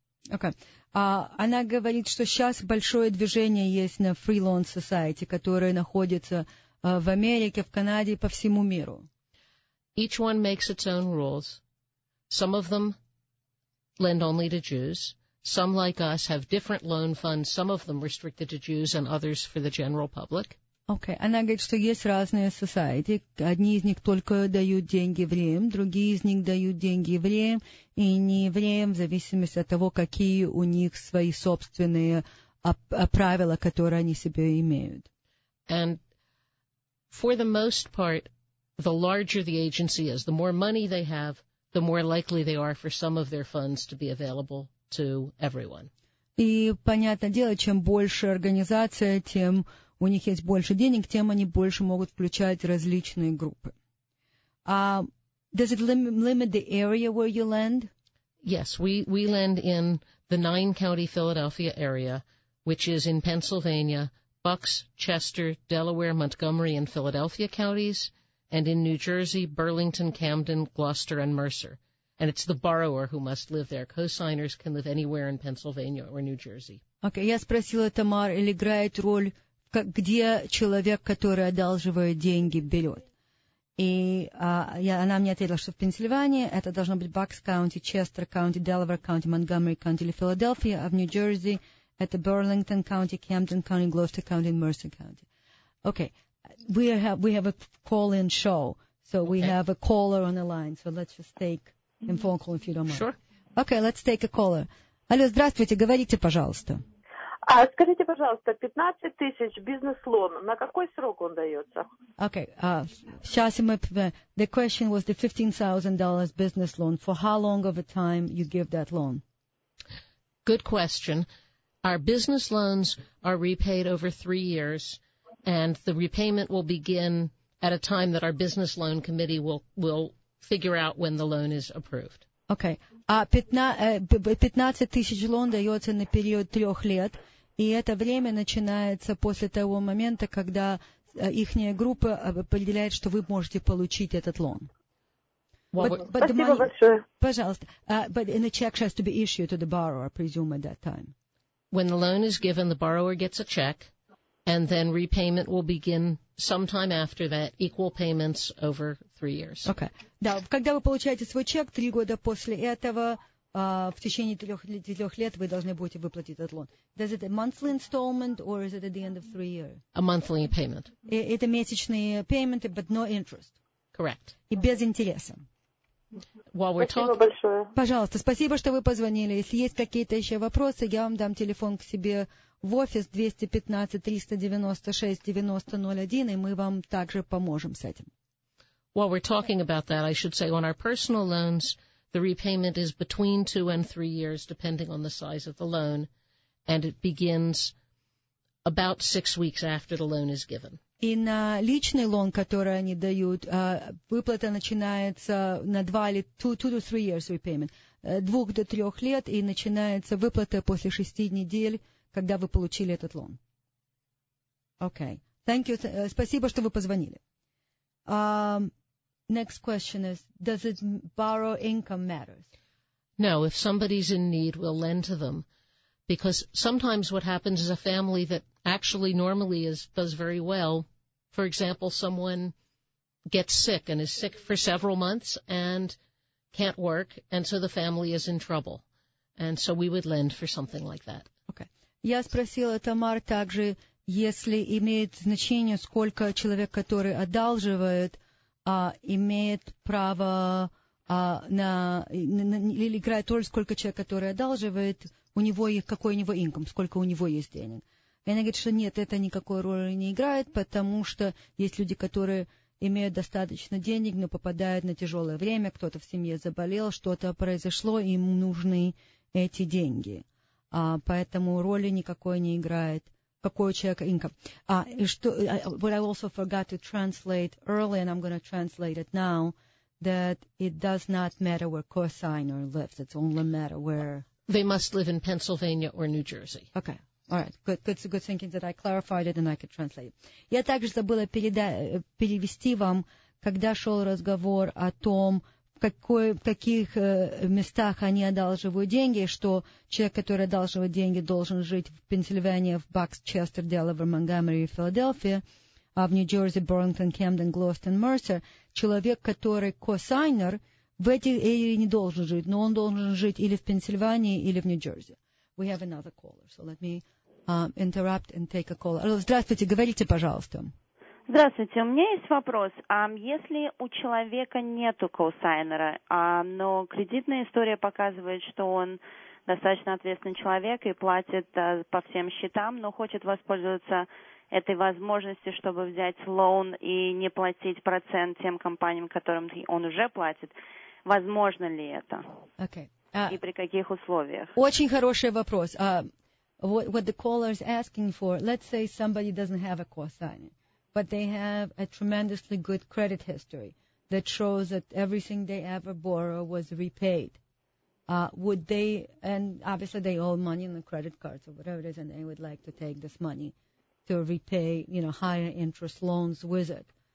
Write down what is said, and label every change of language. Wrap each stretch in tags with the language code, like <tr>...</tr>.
<en>Okay.</en> <ru>Она говорит, что сейчас большое движение есть на Free Loan Society, которое находится в Америке, в Канаде, по всему миру.</ru> <en>Each one makes its own rules. Some of them lend only to Jews. Some, like us, have different loan funds, some of them restricted to Jews and others for the general public.</en> <ru>Okay. Она говорит, что есть разные society. Одни из них только дают деньги евреям, другие из них дают деньги евреям и не евреям, в зависимости от того, какие у них свои собственные правила, которые они себе имеют.</ru> <en>And for the most part, the larger the agency is, the more money they have, the more likely they are for some of their funds to be available to everyone.</en> <ru>И, понятное дело, чем больше организация, тем у них есть больше денег, тем они больше могут включать различные группы.</ru> <en>Does it limit the area where you lend? Yes, we lend in the 9-county Philadelphia area, which is in Pennsylvania, Bucks, Chester, Delaware, Montgomery, and Philadelphia counties, and in New Jersey, Burlington, Camden, Gloucester, and Mercer. And it's the borrower who must live there. Co-signers can live anywhere in Pennsylvania or New Jersey.</en> <ru>Okay, я спросила Тамар, или играет роль, где человек, который одалживает деньги, берет. И она мне ответила, что в Пенсильвании это должно быть Bucks County, Chester County, Delaware County, Montgomery County или Филадельфия, а в Нью-Джерси это Burlington County, Camden County, Gloucester County и Mercer County.</ru> <en>Okay, we have a call-in show, so okay. We have a caller on the line, so let's just take a phone call, if you don't mind. Sure. Okay, let's take a caller.</en> <ru>Алло, здравствуйте, говорите, пожалуйста. А скажите, пожалуйста, 15 тысяч бизнес-лон, на какой срок он дается?</ru> <en>Okay,</en> <ru>сейчас мы...</ru> <en>The question was the $15,000 business loan. For how long of a time you give that loan? Good question. Our business loans are repaid over 3 years, and the repayment will begin at a time that our business loan committee will figure out when the loan is approved. Okay.</en> <ru>15 тысяч лон дается на период 3 лет, и это время начинается после того момента, когда ихняя группа определяет, что вы можете получить этот лон. Спасибо большое. Пожалуйста.</ru> <en>But the check has to be issued to the borrower, I presume, at that time. When the loan is given, the borrower gets a check, and then repayment will begin sometime after that, equal payments over 3 years. Okay.</en> <ru>Да, когда вы получаете свой чек, 3 года после этого, в течение трех лет вы должны будете выплатить этот лон.</ru> <en>Does it a monthly installment or is it at the end of 3 years? A monthly payment.</en> <ru>Это месячные</ru> <en>payment, but no interest. Correct.</en> <ru>И без интереса.</ru> <en>While we're</en> <ru>спасибо большое. Пожалуйста, спасибо, что вы позвонили. Если есть какие-то еще вопросы, я вам дам телефон к себе в офис 215-396-9001, и мы вам также поможем с этим.</ru> <en>While we're talking about that, I should say on our personal loans, the repayment is between 2 and 3 years, depending on the size of the loan, and it begins about 6 weeks after the loan is given.</en> <ru>И на личный лон, который они дают, выплата начинается на</ru> <en>2 to 3 years repayment.</en> <ru>2 до 3 лет, и начинается выплата после 6 недель, когда вы получили этот лон.</ru> <en>Okay. Thank you.</en> <ru>Спасибо, что вы позвонили.</ru> <en>Next question is, does it borrow income matters? No, if somebody's in need, we'll lend to them. Because sometimes what happens is a family that actually normally does very well, for example, someone gets sick and is sick for several months and can't work, and so the family is in trouble. And so we would lend for something like that. Okay.</en> <ru>Я спросила Тамар также, если имеет значение, сколько человек, который одалживает, имеет право или играет роль, сколько человек, который одалживает, у него есть какой у него инком, сколько у него есть денег. И она говорит, что нет, это никакой роли не играет, потому что есть люди, которые имеют достаточно денег, но попадают на тяжелое время, кто-то в семье заболел, что-то произошло, им нужны эти деньги. Поэтому роли никакой не играет. Какой у человека инком.</ru> <en>But I also forgot to translate earlier, and I'm going to translate it now, that it does not matter where cosigner lives. It's only matter where... They must live in Pennsylvania or New Jersey. Okay. All right. Good thinking that I clarified it and I could translate.</en> <ru>Я также забыла перевести вам, когда шел разговор о том, в каких местах они одалживают деньги, что человек, который одалживает деньги, должен жить в Пенсильвании, в Бакс, Честер, Делавер, Монтгомери, Филадельфии, а в Нью-Джерси, Бурлингтон, Кэмден, Глостон, Мерсер. Человек, который косайнер, в этих эйре не должен жить, но он должен жить или в Пенсильвании, или в Нью-Джерси.</ru> <en>We have another caller, so let me interrupt and take a call.</en> <ru>Здравствуйте, говорите, пожалуйста. Здравствуйте, у меня есть вопрос. Если у человека нету коусайнера, но кредитная история показывает, что он достаточно ответственный человек и платит по всем счетам, но хочет воспользоваться этой возможностью, чтобы взять лоун и не платить процент тем компаниям, которым он уже платит, возможно ли это?</ru> <en>Okay.</en> <ru>И при каких условиях? Очень хороший вопрос.</ru> <en>What the caller is asking for, let's say somebody doesn't have a coassigner, but they have a tremendously good credit history that shows that everything they ever borrow was repaid. Would they, and obviously they owe money on the credit cards or whatever it is, and they would like to take this money to repay, you know, higher interest loans with it.</en>